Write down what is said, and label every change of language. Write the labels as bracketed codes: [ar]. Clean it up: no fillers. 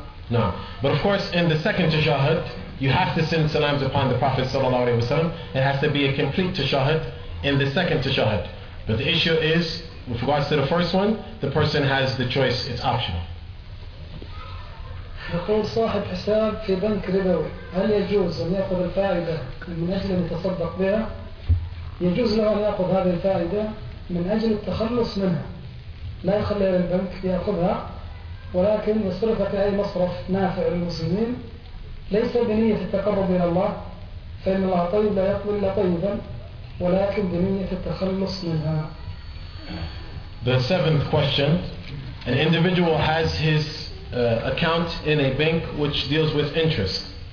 [en] No. But of course, in the second tashahud, you have to send salams upon the Prophet ﷺ. It has to be a complete tashahud in the second tashahud. But the issue is, with regards to the first one, the person has the choice, it's optional. [ar] يقول صاحب حساب في بنك ربوي هل يجوز أن يأخذ الفائدة من أجل أن يتصدق بها؟ يجوز له أن يأخذ هذه الفائدة من أجل التخلص منها، لا يخليها للبنك، يأخذها ولكن يصرفها في أي مصرف نافع للمسلمين، ليس بنية التقرب إلى الله، فإن الله طيب لا يقبل إلا طيبا، ولكن بنية التخلص منها. [en] The seventh question: an individual has his account in a bank which deals with interest.